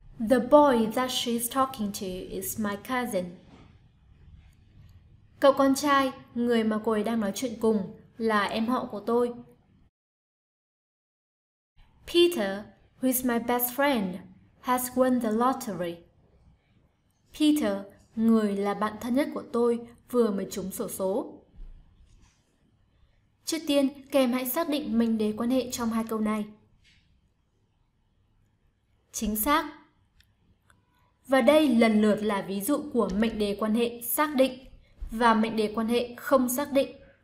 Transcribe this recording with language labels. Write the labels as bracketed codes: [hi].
[en] The boy that she's talking to is my cousin. [vi] Cậu con trai, người mà cô ấy đang nói chuyện cùng, là em họ của tôi. [en] Peter, who is my best friend, has won the lottery. [vi] Peter, người là bạn thân nhất của tôi, vừa mới trúng xổ số. Trước tiên, các em hãy xác định mệnh đề quan hệ trong hai câu này. Chính xác. Và đây lần lượt là ví dụ của mệnh đề quan hệ xác định và mệnh đề quan hệ không xác định.